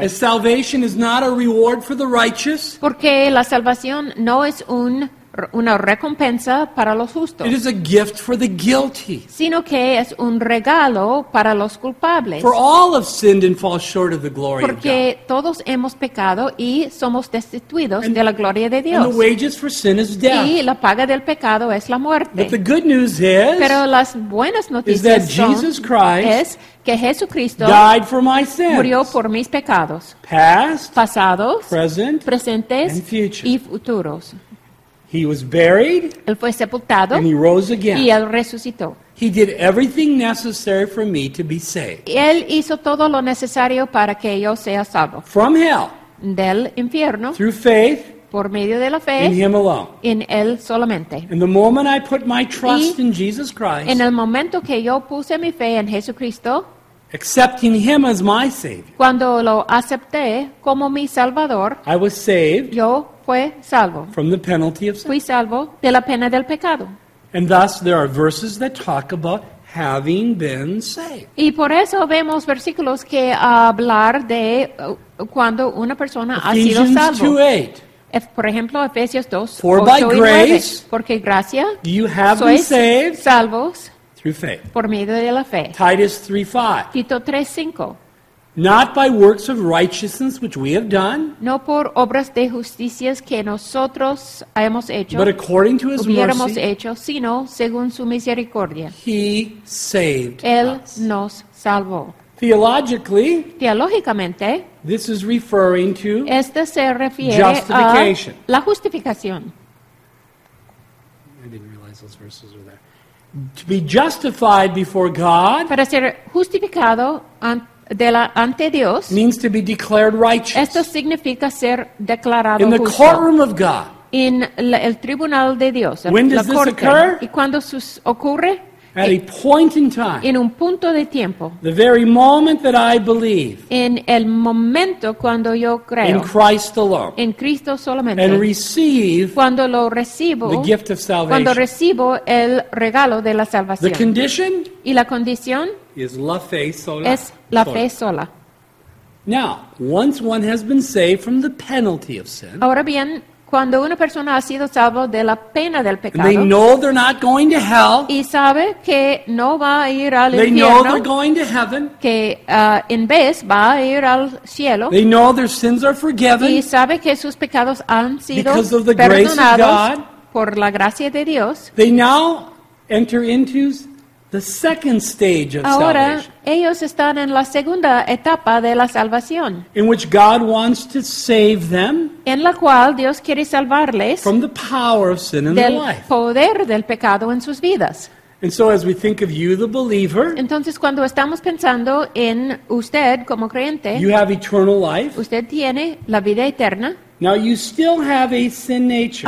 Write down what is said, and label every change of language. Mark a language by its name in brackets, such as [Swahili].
[English] As salvation is not a reward for the righteous. [Spanish] Porque la salvación no es una recompensa para los justos. [English] It is a gift for the guilty. [Spanish] Sino que es un regalo para los culpables. [English] For all have sinned and fall short of the glory [Spanish] porque [English] of God. [Spanish] Porque todos hemos pecado y somos destituidos de la gloria de Dios. [English] And the wages for sin is death. [Spanish] Y la paga del pecado es la muerte. [English] But the good news is, [Spanish] pero las buenas noticias [English] is that Jesus Christ [Spanish] es que Jesucristo [English] died for my sins. [Spanish] Murió por mis pecados. [English] Past, [Spanish] pasados, [English] present, [Spanish] presentes [English] and future. [Spanish] Y futuros. [English] He was buried. [Spanish] Él fue sepultado. [English] And he rose again. [Spanish] Y él resucitó. [English] He did everything necessary for me to be saved. [Spanish] Él hizo todo lo necesario para que yo sea salvo. [English] From hell. [Spanish] Del infierno. [English] Through faith. [Spanish] Por medio de la fe. [English] In him alone. [Spanish] En él solamente. [English] And the moment I put my trust in Jesus Christ. [Spanish] En el momento que yo puse mi fe en Jesucristo. [English] Accepting him as my savior. [Spanish] Cuando lo acepté como mi salvador. [English] I was saved. [Spanish] Yo fue salvo. [English] From the penalty of sin. [Spanish] Fui salvo de la pena del pecado. [English] And thus there are verses that talk about having been saved. [Spanish] Y por eso vemos versículos que hablar de cuando una persona [English] Ephesians [Spanish] ha sido salvo. [English] 2:8. [Spanish] Por ejemplo, Efesios 2:8. [English] For by grace, [Spanish] porque gracia, [English] you have been saved. [Spanish] Salvos. [English] Through faith. [Spanish] Por medio de la fe. [English] Titus 3:5. [Spanish] Tito 3:5. [English] Not by works of righteousness which we have done. [Spanish] No por obras de justicias que nosotros hemos hecho. [English] But according to his mercy. [Spanish] Hubiéramos hecho, sino según su misericordia. [English] He saved [Spanish] él [English] us. [Spanish] Él nos salvó. [English] Theologically. [Spanish] Teológicamente. [English] This is referring to. [Spanish] Este se refiere [English] justification. [Spanish] A la justificación. [English] I didn't realize those verses were there. To be justified before God. [Spanish] Para ser justificado ante ante Dios, [English] means to be declared righteous. [Spanish] Esto significa ser declarado [English] justo. In the courtroom of God. [Spanish] En el tribunal de Dios. [English] When does this occur? [Spanish] ¿Y cuándo ocurre? [English] At a point in time. [Spanish] En un punto de tiempo. [English] The very moment that I believe. [Spanish] En el momento cuando yo creo. [English] In Christ alone. [Spanish] En Cristo solamente. [English] And receive. [Spanish] Cuando lo recibo. [English] The gift of salvation. [Spanish] Cuando recibo el regalo de la salvación. [English] The condition. [Spanish] Y la condición. [English] Is [Spanish] la fe sola. Es la fe sola. [English] Now, once one has been saved from the penalty of sin. [Spanish] Ahora bien, cuando una persona ha sido salvo de la pena del pecado. [English] They know they're not going to hell. [Spanish] Y sabe que no va a ir al [English] they [Spanish] infierno. [English] They know they're going to heaven. [Spanish] Que en vez va a ir al cielo. [English] They know their sins are forgiven. [Spanish] Y sabe que sus pecados han sido [English] because of the grace of God. [Spanish] Por la gracia de Dios. [English] They now enter into the second stage of [Spanish] ahora, [English] salvation. [Spanish] Ellos están en la segunda etapa de la salvación. [English] In which God wants to save them. [Spanish] En la cual Dios quiere salvarles. [English] From the power of sin in their life. [Spanish] Del poder del pecado en sus vidas. [English] And so as we think of you, the believer. [Spanish] Entonces cuando estamos pensando en usted como creyente. [English] You have eternal life. [Spanish] Usted tiene la vida eterna. [English] Now you still have a sin nature.